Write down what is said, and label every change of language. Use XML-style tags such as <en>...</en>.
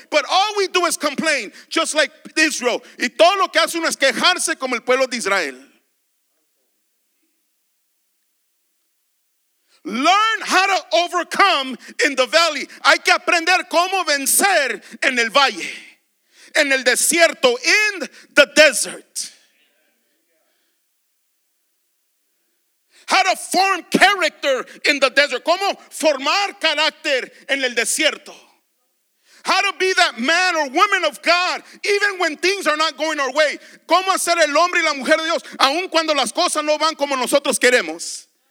<en>But all we do is complain, just like Israel.</en> <es>Y todo lo que hace uno es quejarse como el pueblo de Israel.</es> <en>Learn how to overcome in the valley.</en> <es>Hay que aprender cómo vencer en el valle, en el desierto,</es> <en>in the desert. How to form character in the desert.</en> <es>Cómo formar carácter en el desierto.</es> <en>How to be that man or woman of God, even when things are not going our way.</en> <es>Cómo hacer el hombre y la mujer de Dios, aun cuando las cosas no van como nosotros queremos.</es>